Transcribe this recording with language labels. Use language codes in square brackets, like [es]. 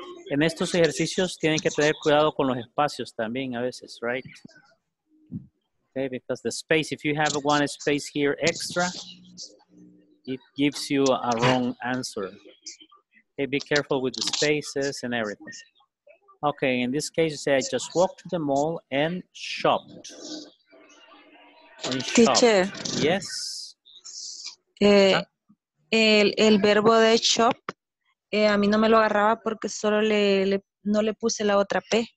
[es] En estos ejercicios tienen que tener cuidado con los espacios también a veces, [en] right? Okay, because the space, if you have one space here extra, it gives you a wrong answer. Okay, be careful with the spaces and everything. Okay, in this case, you say, I just walked to the mall and shopped. And shopped. Teacher. Yes. [es] El verbo de shop, a mí no me lo agarraba porque solo no le puse la otra P.